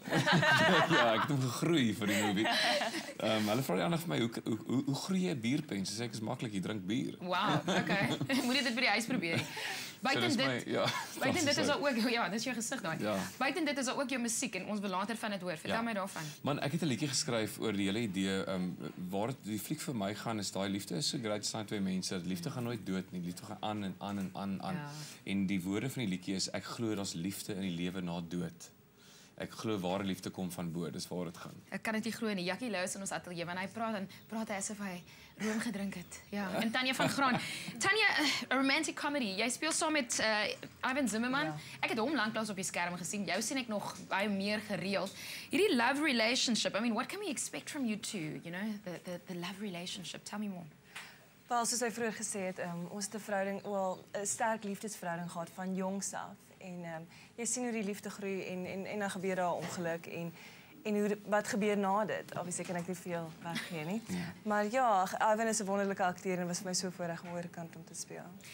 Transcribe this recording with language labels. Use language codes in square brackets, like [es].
[af] Ja, ek het hom gegroei vir die movie. Hulle vra eendag vir my, hoe groei jy 'n bierpens? Sê ek is maklik, jy drink bier. Wow, okay. Moet jy dit vir die huis probeer? Buiten dit is ook dis jou gesig daai. Ja. Buiten dit is ook jou musiek en ons wil later van dit hoor. Vertel my daarvan. Man, ek het 'n liedjie geskryf oor die hele idee waar die fliek vir my gaan is daai liefde is so great sign twee mense. Liefde gaan nooit dood nie. Liefde gaan aan en aan en aan aan. En die woorde van die liedjie is ek glo daar's liefde in die lewe na dood. Ek glo ware liefde kom van bo, dis waar dit gaan. Ek kan dit nie glo nie. Jackie Lewis in ons ateljee wanneer hy praat, dan praat hy asof hy room gedrink het. Ja, en Tanya van Graan. Tanya, [en] a romantic comedy. [af] Jy speel saam met Ivan Zimmerman. Ek het hom lanklaas op die skerm gesien. Jou sien ek nog baie meer gereeld. Hierdie [en] love relationship, I mean, what can we expect from you two, you know? The love relationship. Tell me more. [af] Wel, soos hy vroeër gesê het, ons het 'n verhouding, wel, 'n sterk liefdesverhouding gehad van jongs af. En jy sien hoe die liefde groei en dan gebeur daar ongeluk en hoe wat gebeur na dit. Obviously kan ek nie veel weggee nie. Ja. Maar ja, Ivan is 'n wonderlike akteur en was vir my so voorreg om oor kant om te speel.